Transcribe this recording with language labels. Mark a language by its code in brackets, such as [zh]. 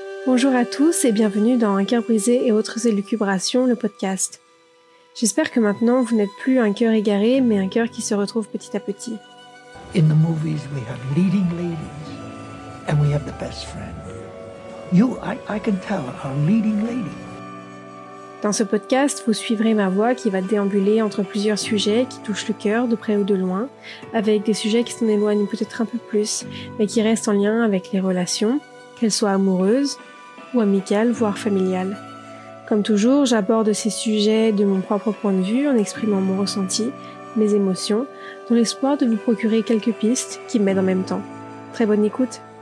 [fr] Bonjour à tous et bienvenue dans Un cœur brisé et autres élucubrations, le podcast. J'espère que maintenant vous n'êtes plus un cœur égaré, mais un cœur qui se retrouve petit à petit. [en] In the movies, we have leading ladies and we have the best friend. I can tell our leading lady. [fr] Dans ce podcast, vous suivrez ma voix qui va déambuler entre plusieurs sujets qui touchent le cœur, de près ou de loin, avec des sujets qui s'en éloignent peut-être un peu plus, mais qui restent en lien avec les relations, qu'elles soient amoureuses ou amicales, voire familiales. Comme toujours, j'aborde ces sujets de mon propre point de vue en exprimant mon ressenti, mes émotions, dans l'espoir de vous procurer quelques pistes qui m'aident en même temps. Très bonne écoute.